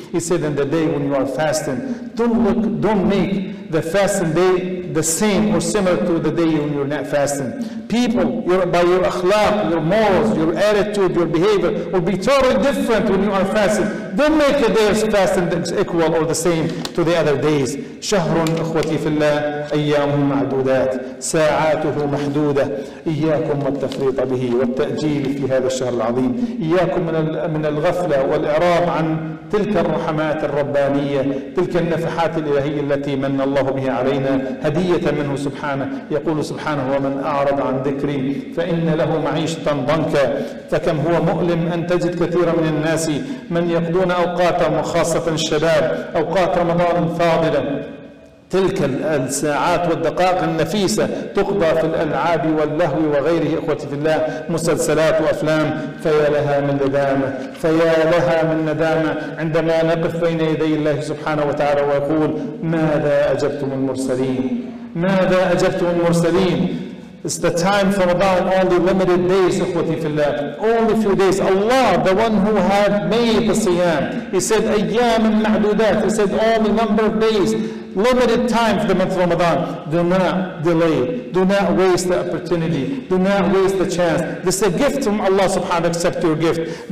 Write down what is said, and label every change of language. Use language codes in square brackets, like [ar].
[en] He said, in the day when you are fasting, don't make the fasting day the same or similar to the day when you're not fasting. People, by your akhlaq, your morals, your attitude, your behavior will be totally different when you are fasting. Don't make a day of fasting equal or the same to the other days. [ar] شهرٌ أخوتي في الله أيامه معدودات ساعاته محدودة إياكم والتفريط به والتأجيل في هذا الشهر العظيم إياكم من الغفلة والإعراض عن تلك الرحمات الربانية تلك النفحات الإلهية التي من الله بها علينا هدية منه سبحانه يقول سبحانه ومن أعرض عن ذكري، فإن له معيشة ضنكا. فكم هو مؤلم أن تجد كثيرا من الناس من يقضون أوقات، وخاصة الشباب، أوقات رمضان فاضلة، تلك الساعات والدقائق النفيسة تقضى في الألعاب واللهو وغيره، إخوتي في الله، مسلسلات وأفلام، فيا لها من ندامة، فيا لها من ندامة عندما نقف بين يدي الله سبحانه وتعالى ويقول: ماذا أجبتم المرسلين؟ ماذا أجبتم المرسلين؟ [en] It's the time for about only limited days, [ar] إخوتي في الله. [en] Only few days. Allah, the one who had made the siyam, He said, [ar] أيام معدودات. [en] He said, only number of days. Limited time for the month of Ramadan. Do not delay. Do not waste the opportunity. Do not waste the chance. This is a gift from Allah subhanahu wa ta'ala. Accept your gift.